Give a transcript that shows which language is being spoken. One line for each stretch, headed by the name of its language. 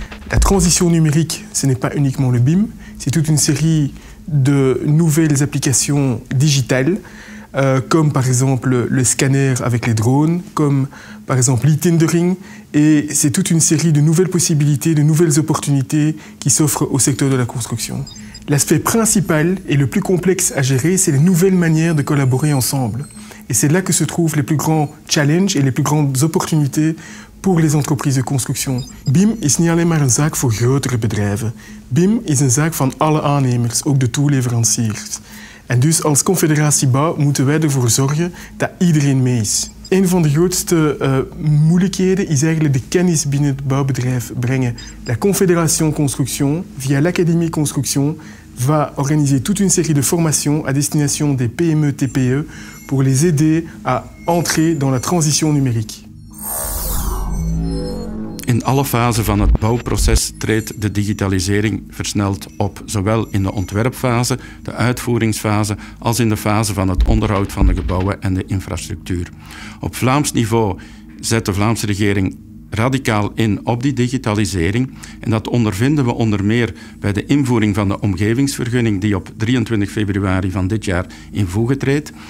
French: La transition numérique, ce n'est pas uniquement le BIM, c'est toute une série de nouvelles applications digitales, comme par exemple le scanner avec les drones, comme par exemple l'e-tendering, et c'est toute une série de nouvelles possibilités, de nouvelles opportunités qui s'offrent au secteur de la construction. L'aspect principal et le plus complexe à gérer, c'est les nouvelles manières de collaborer ensemble. Et c'est là que se trouvent les plus grands challenges et les plus grandes opportunités pour les entreprises de construction.
Dutch: BIM is niet alleen maar een zaak voor grotere bedrijven. BIM is een zaak van alle aannemers, ook de toeleveranciers. En dus als Confederatie Bouw moeten wij ervoor zorgen dat iedereen mee is. Een van de grootste moeilijkheden is eigenlijk de kennis binnen het bouwbedrijf brengen.
French: La Confédération Construction, via l'Académie Construction, va organiser toute une série de formations à destination des PME-TPE pour les aider à entrer dans la transition numérique.
Dutch: In alle fasen van het bouwproces treedt de digitalisering versneld op, zowel in de ontwerpfase, de uitvoeringsfase, als in de fase van het onderhoud van de gebouwen en de infrastructuur. Op Vlaams niveau zet de Vlaamse regering radicaal in op die digitalisering en dat ondervinden we onder meer bij de invoering van de omgevingsvergunning die op 23 februari van dit jaar in voege treedt.